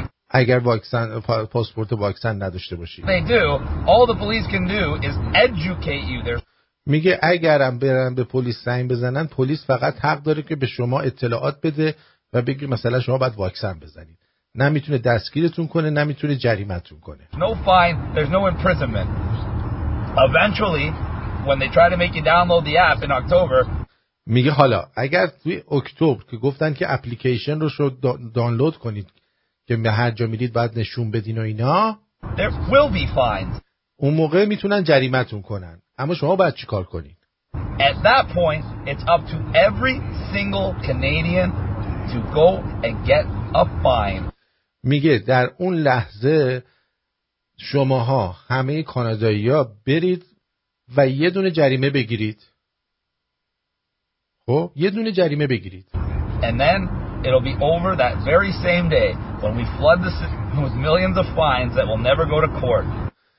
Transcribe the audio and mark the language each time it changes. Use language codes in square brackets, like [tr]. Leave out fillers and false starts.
[fa] اگر واکسن پاسپورت واکسن نداشته باشی. [en] They do. All the police can do is educate you. [fa] میگه اگرم برن به پلیس زنگ بزنن، پلیس فقط حق داره که به شما اطلاعات بده و بگه مثلا شما باید واکسن بزنید. نمیتونه دستگیرتون کنه، نمیتونه جریمتون کنه. [en] No fine, there's no imprisonment. Eventually, when they try to make you download the app in October. [fa] میگه حالا اگر توی اکتبر که گفتن که اپلیکیشن رو شو دانلود کنید که هر جا میرید باید نشون بدین و اینا، [en] there will be fines. [fa] اون موقع میتونن جریمتون کنن. اما شما باید چی کار کنید؟ [en] At that point, it's up to every single Canadian to go and get a fine. [fa] میگه در اون لحظه شماها همه کانادایی ها برید و یه دونه جریمه بگیرید. خب یه دونه جریمه بگیرید. [en] And then it'll be over that very same day when we flood the city with millions of fines that will never go to court.